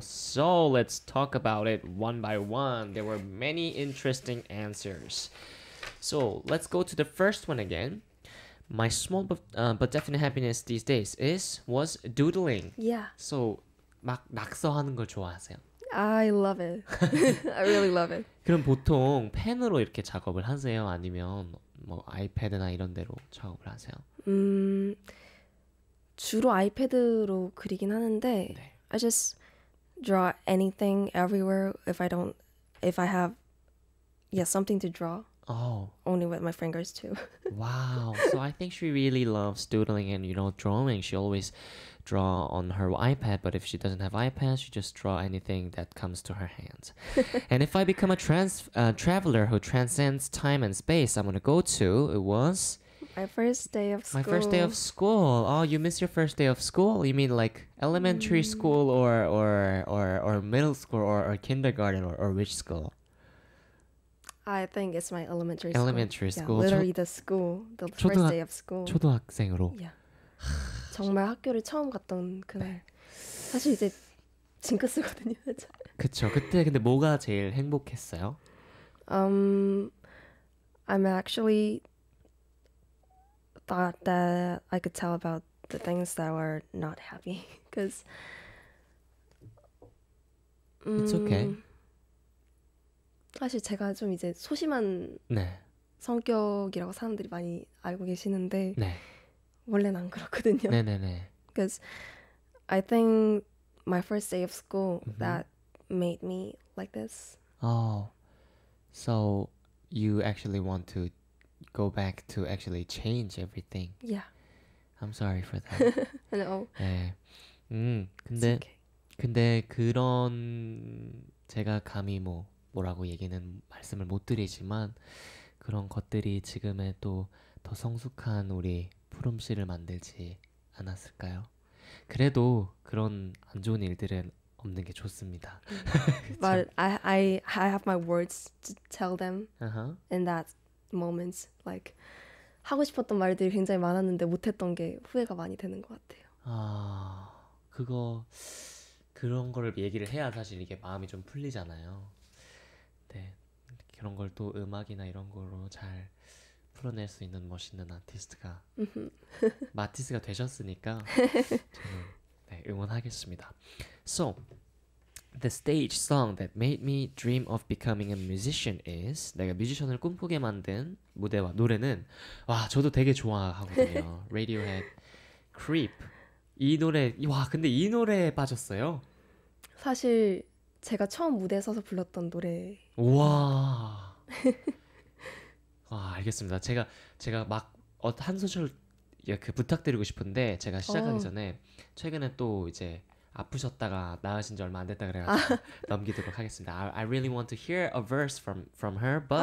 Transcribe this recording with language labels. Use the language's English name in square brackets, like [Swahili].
[English] So let's talk about it one by one. There were many interesting answers. So let's go to the first one again. My small but definite happiness these days was doodling. Yeah. [Korean] So 막 낙서하는 걸 좋아하세요? [English] I love it. I really love it. [Korean] 그럼 보통 펜으로 이렇게 작업을 하세요? 아니면 뭐 아이패드나 이런 데로 작업을 하세요? 주로 아이패드로 그리긴 하는데 네. [English] I just draw anything everywhere if I don't if I have yeah, something to draw. Oh. Only with my fingers too. Wow. So I think she really loves doodling and you know drawing. She always draw on her iPad, but if she doesn't have iPad, she just draw anything that comes to her hands. And if I become a traveler who transcends time and space, I'm gonna go to, it was? My first day of school. My first day of school. Oh, you miss your first day of school? You mean like elementary school or middle school or kindergarten or which school? I think it's my elementary school. Elementary school. Yeah, literally the school, the first day of school. [Korean] 초등학생으로. [English] Yeah. [Korean] 정말 학교를 처음 갔던 그날 사실 이제 징크스거든요. 그쵸. 그때 근데 뭐가 제일 행복했어요? [English] I'm actually thought that I could tell about the things that were not happy because it's okay. [Korean] 사실 제가 좀 이제 소심한 네. 성격이라고 사람들이 많이 알고 계시는데 네. 원래는 안 그렇거든요. 네네네. [English] Because I think my first day of school mm-hmm. that made me like this. Oh, so you actually want to go back to actually change everything? Yeah. I'm sorry for that. No. [Korean] 네. 근데 okay. 근데 그런 제가 감히 뭐 뭐라고 얘기는 말씀을 못 드리지만 그런 것들이 지금의 또 더 성숙한 우리 푸름 씨를 만들지 않았을까요? 그래도 그런 안 좋은 일들은 없는 게 좋습니다. [English] But I have my words to tell them in that moment. [Korean] Like 하고 싶었던 말들이 굉장히 많았는데 못했던 게 후회가 많이 되는 것 같아요. 아 그거 그런 걸 얘기를 해야 사실 이게 마음이 좀 풀리잖아요. 네 그런 걸 또 음악이나 이런 걸로 잘 풀어낼 수 있는 멋있는 아티스트가 마티스가 되셨으니까 저는 네, 응원하겠습니다. [English] So, the stage song that made me dream of becoming a musician is [Korean] 내가 뮤지션을 꿈꾸게 만든 무대와 노래는 와 저도 되게 좋아하거든요. Radiohead, Creep 이 노래 와 근데 이 노래에 빠졌어요? 사실 제가 처음 무대에 서서 불렀던 노래 우와 와 알겠습니다. 제가 막 한 소절 그 부탁드리고 싶은데 제가 시작하기 전에 최근에 또 이제 아프셨다가 나으신 지 얼마 안 됐다 그래가지고 넘기도록 하겠습니다. [English] I really want to hear a verse from her, but